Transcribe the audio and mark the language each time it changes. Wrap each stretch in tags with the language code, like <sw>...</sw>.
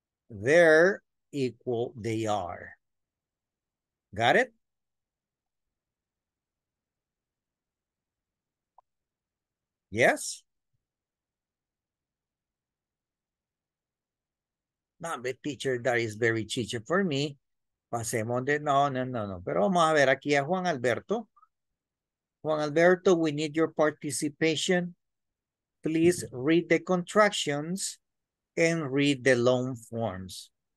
<en>They're equal they are. Got it? Yes? No, but teacher, that is very teacher for me.</en> <es>Pasemos de... No. Pero vamos a ver aquí a Juan Alberto.</es> <en>Juan Alberto, we need your participation. Please read the contractions and read the long forms.</en>